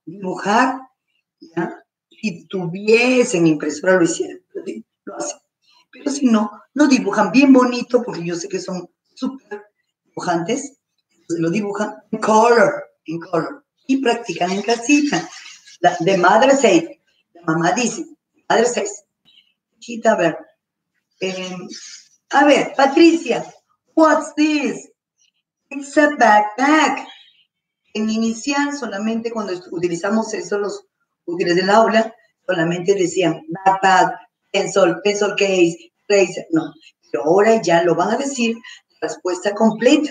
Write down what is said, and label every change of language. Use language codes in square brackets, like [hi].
[es] Dibujar, ¿ya? Si tuviesen impresora lo hicieran, lo hacen. Pero si no, lo dibujan bien bonito, porque yo sé que son súper dibujantes, entonces lo dibujan en color, y practican en casita. [en] The mother says, [es] la mamá dice, [en] mother says, chita, [es] a ver, [en] Patricia, what's this? It's a backpack. [es] En inicial, solamente cuando utilizamos eso, los útiles del aula, solamente decían backpack, pencil, pencil case, eraser. No, pero ahora ya lo van a decir, respuesta completa.